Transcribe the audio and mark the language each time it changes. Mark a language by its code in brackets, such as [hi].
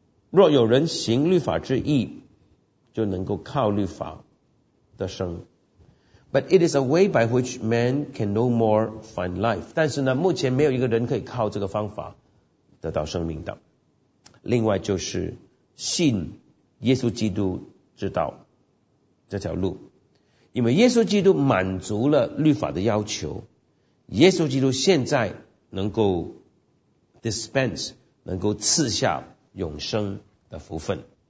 [zh] 若有人行律法之义，就能够靠律法得生。 [en] But it is a way by which man can no more find life. [zh] 但是呢，目前没有一个人可以靠这个方法得到生命的。另外就是信耶稣基督之道这条路，因为耶稣基督满足了律法的要求，耶稣基督现在能够 dispense, 能够赐下永生的福分。